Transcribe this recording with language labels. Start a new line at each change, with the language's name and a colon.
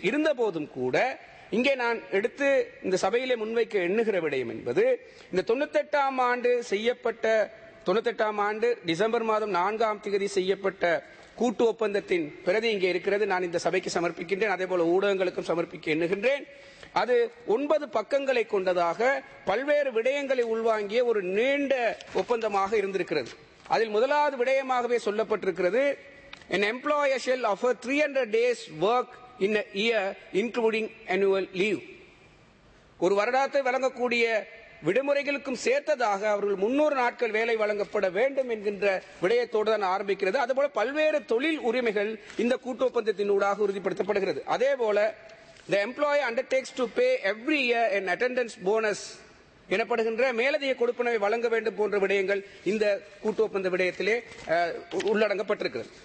Tamil: இருந்த போதும் கூட இங்கே நான் எடுத்து இந்த சபையிலே முன்வைக்க எண்ணுகிற விடயம் என்பது இந்த 98 செய்யப்பட்ட 98 டிசம்பர் மாதம் 4 தேதி செய்யப்பட்ட கூட்டு ஒப்பந்தத்தின் பிரதி இங்கே இருக்கிறது. நான் இந்த சபைக்கு சமர்ப்பிக்கின்றேன், அதே போல ஊடகங்களுக்கும் சமர்ப்பிக்க எண்ணுகின்றேன். அது 9 கொண்டதாக பல்வேறு விடயங்களை உள்வாங்கிய ஒரு நீண்ட ஒப்பந்தமாக இருந்திருக்கிறது. அதில் முதலாவது விடயமாகவே சொல்லப்பட்டிருக்கிறது,
English: an employer shall offer 300 days work in a year including annual leave.
Tamil: ஒரு வருடத்தை வழங்கக்கூடிய விடுமுறைகளுக்கும் சேர்த்ததாக அவர்கள் 300 வேலை வழங்கப்பட வேண்டும் என்கின்ற விடயத்தோடு தான் ஆரம்பிக்கிறது. அதுபோல பல்வேறு தொழில் உரிமைகள் இந்த கூட்டு ஒப்பந்தத்தின் ஊடாக உறுதிப்படுத்தப்படுகிறது. அதே போல
English: the employer undertakes to pay every year an attendance bonus
Tamil: எனப்படுகின்ற மேலதிக கொடுப்பனவை வழங்க வேண்டும் போன்ற விடயங்கள் இந்த கூட்டு ஒப்பந்த விடயத்திலே உள்ளடங்கப்பட்டிருக்கிறது.